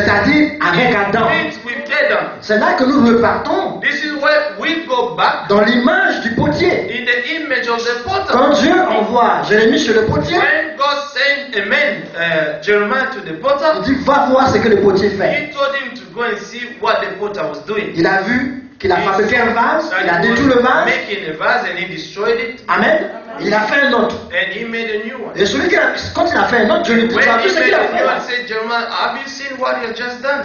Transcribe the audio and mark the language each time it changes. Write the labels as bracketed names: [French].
[French] C'est-à-dire avec Adam. [English] With Adam. [French] C'est là que nous repartons. [English] This is where we go back. [French] Dans l'image du potier. [English] In the image of the potter. [French] Quand Dieu envoie Jérémie chez le potier. [English] When God sent, amen, Jeremiah to the potter. [French] Il dit, va voir ce que le potier fait. [English] He told him to go and see what the potter was doing. [French] Il a vu qu'il a fabriqué un vase, il a détruit le vase. [English] Making a vase and he destroyed it. [French] Amen. Il a fait un autre. [English] And he made a new one. [French] Et celui qui a, quand il a fait un autre, Dieu lui dit, tu as vu ce qu'il a fait? [English] And said, Jeremiah, have you seen what you just done?